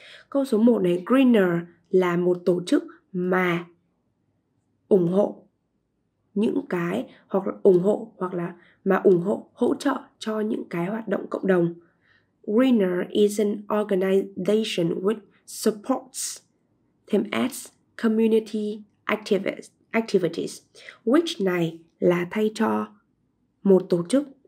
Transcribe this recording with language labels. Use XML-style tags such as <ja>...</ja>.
<vi>Câu số 1 này, Greener là một tổ chức mà ủng hộ những cái hoặc là ủng hộ hoặc là mà ủng hộ, hỗ trợ cho những cái hoạt động cộng đồng.</vi> <en>Greener is an organization which supports thêm as community activities.</en> <vi>Which này là thay cho một tổ chức.</vi>